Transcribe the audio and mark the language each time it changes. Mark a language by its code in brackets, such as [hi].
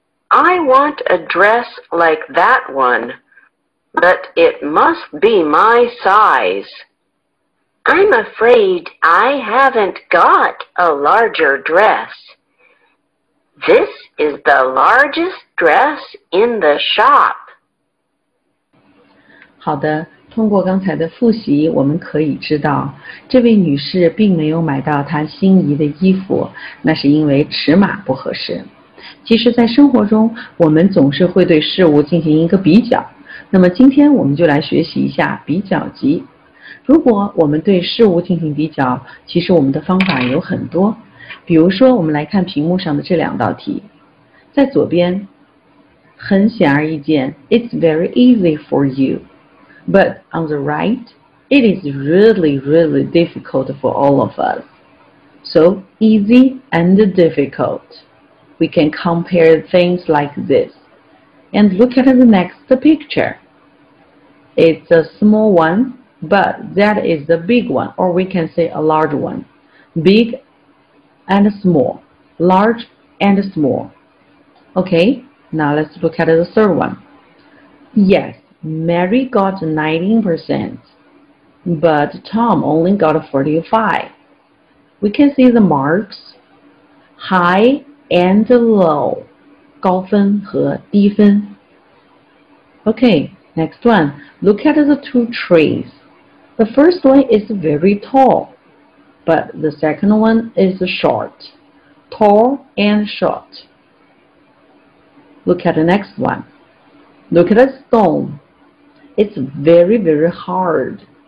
[en] I want a dress like that one, but it must be my size. I'm afraid I haven't got a larger dress. This is the largest dress in the shop. [zh] 好的，通过刚才的复习，我们可以知道，这位女士并没有买到她心仪的衣服，那是因为尺码不合适。其实在生活中，我们总是会对事物进行一个比较。那么今天我们就来学习一下比较级。如果我们对事物进行比较，其实我们的方法有很多。比如说，我们来看屏幕上的这两道题。在左边，很显而易见 [en] ，It's very easy for you. But on the right, it is really, really difficult for all of us. So easy and difficult. We can compare things like this. And look at the next picture. It's a small one, but that is the big one, or we can say a large one. Big and small. Large and small. Okay, now let's look at the third one. Yes, Mary got 19%, but Tom only got 45. We can see the marks. High,And low, [zh] 高分和低分。 [en] Okay, next one. Look at the two trees. The first one is very tall, but the second one is short. Tall and short. Look at the next one. Look at the stone. It's very, very hard.